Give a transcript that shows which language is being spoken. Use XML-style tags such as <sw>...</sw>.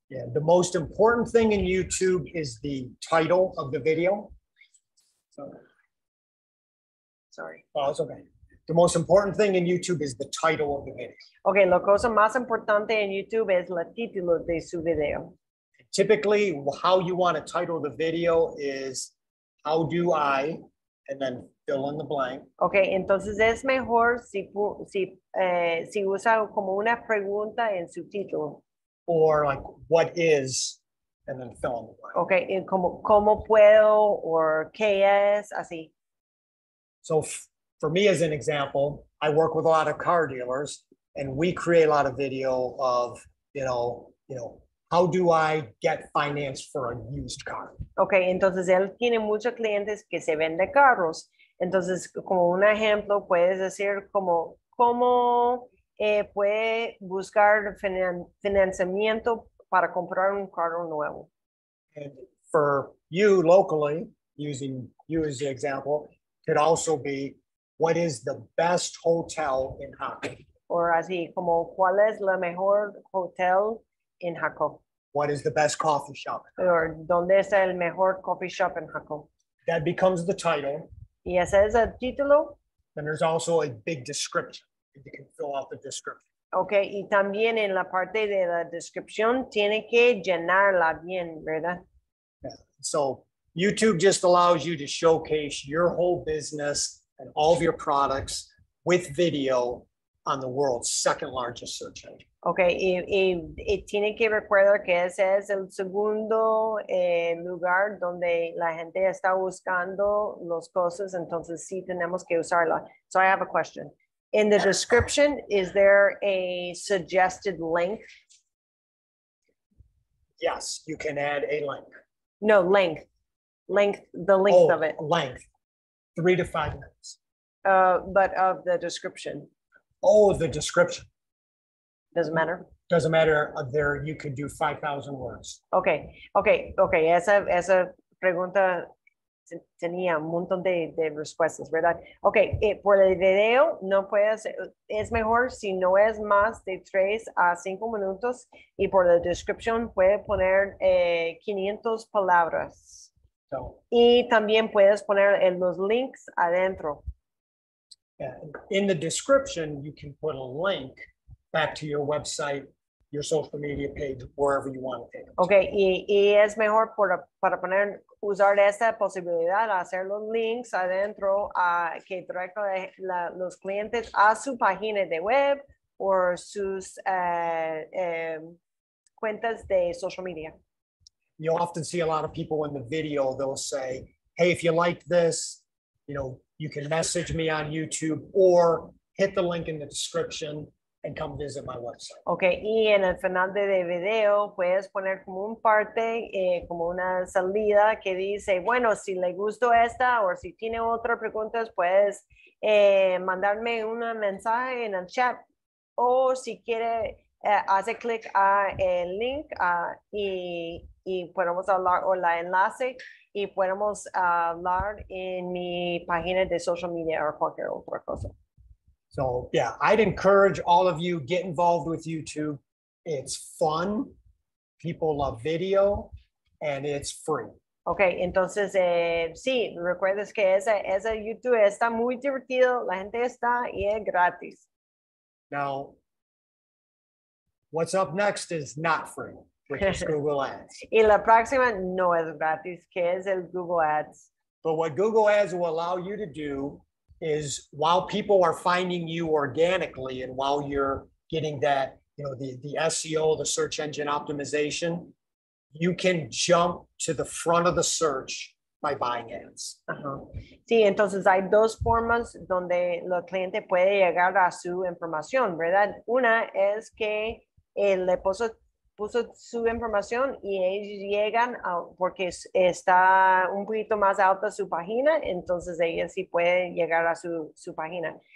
<en>Yeah, the most important thing in YouTube is the title of the video. Sorry. Oh, it's okay. The most important thing in YouTube is the title of the video.</en> <es>Okay, lo cosa más importante en YouTube es la título de su video.</es> <en>Typically, how you want to title the video is how do I, and then fill in the blank.</en> <es>Okay, entonces es mejor si usa como una pregunta en su título.</es> <en>Or like, what is, and then fill in the blank.</en> <es>Okay, y como puedo, or qué es, así.</es> <en>So for me as an example, I work with a lot of car dealers, and we create a lot of video of, you know, how do I get finance for a used car?</en> <es>Okay, entonces él tiene muchos clientes que se vende carros. Entonces, como un ejemplo, puedes decir como, ¿cómo puede buscar financiamiento para comprar un carro nuevo?</es> <en>And for you locally, using you as the example, could also be, what is the best hotel in Jaco?</en> <es>Or así, como, ¿cuál es la mejor hotel in Jaco?</es> <en>What is the best coffee shop?</en> <es>Or ¿dónde está el mejor</es> <en>coffee shop in</en> <es>Jaco?</es> <en>That becomes the title.</en> <es>Y ese es el título.</es> <en>Then there's also a big description. You can fill out the description.</en> <es>Okay, y también en la parte de la descripción tiene que llenarla bien, ¿verdad?</es> <en>Yeah. So YouTube just allows you to showcase your whole business and all of your products with video on the world's second largest search engine. Okay, y tiene que recordar que ese es el segundo lugar donde la gente está buscando los cosas, entonces sí tenemos que usarla. So I have a question. In the description, is there a suggested link? Yes, you can add a link. No, length. Length, the length of it. Length. 3 to 5 minutes. But of the description. Oh, the description. Doesn't matter. Doesn't matter there, you can do 5,000 words. Okay.</en> <es>Esa pregunta tenía un montón de respuestas, ¿verdad? Okay, por el video no puedes, es mejor si no es más de 3 a 5 minutos y por la descripción puede poner 500 palabras.</es> <en>So,</en> <es>y también puedes poner en los links adentro.</es> <en>In the description, you can put a link back to your website, your social media page, wherever you want to take it.</en> <es>Okay, y es mejor para poner, usar esta posibilidad, hacer los links adentro a que directo los clientes a su página de web o sus cuentas de social media.</es> <en>You'll often see a lot of people in the video, they'll say, hey, if you like this, you know, you can message me on YouTube or hit the link in the description and come visit my website.</en> <es>Okay, y en el final de video puedes poner como un parte, como una salida que dice, bueno, si le gustó esta o si tiene otra pregunta, puedes mandarme un mensaje en el chat o si quiere, hace clic a el link y podemos hablar o la enlace y podemos hablar en mi página de social media o cualquier otra cosa.</es> <en>So yeah, I'd encourage all of you, get involved with YouTube. It's fun. People love video and it's free.</en> <es>Okay, entonces sí, recuerdes que esa YouTube está muy divertido, la gente está y es gratis.</es> <en>Now, what's up next is not free, which is Google Ads.</en> <es>Y la próxima no es gratis, que es el Google Ads.</es> <en>But what Google Ads will allow you to do is while people are finding you organically and while you're getting that, you know, the SEO, the search engine optimization, you can jump to the front of the search by buying ads.</en> <es>Uh-huh. Sí, entonces hay dos formas donde el cliente puede llegar a su información, ¿verdad? Una es que le puso su información y ellos llegan porque está un poquito más alta su página, entonces ella sí puede llegar a su página.</es>